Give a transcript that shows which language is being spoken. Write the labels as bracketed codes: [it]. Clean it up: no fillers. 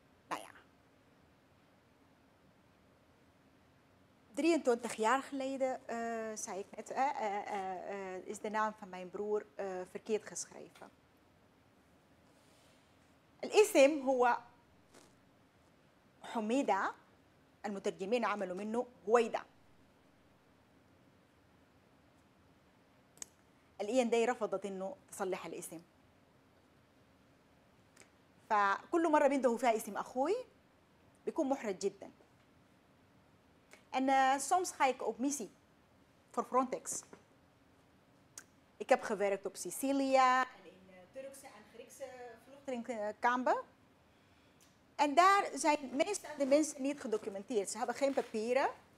[nl] نايا 23 jaar geleden, zei ik net, is de naam van mijn broer verkeerd geschreven. [ar] الاسم هو حميدة، المترجمين عملوا منه هويدة. الاي ان دي رفضت انه تصلح الاسم. فكل مرة بينده فيها اسم اخوي بيكون محرج جدا. [nl] En soms ga ik op missie voor Frontex. Ik heb gewerkt op Sicilië en in Turkse en Griekse vluchtelingenkampen. En daar zijn meestal de mensen niet gedocumenteerd. Ze hebben geen papieren.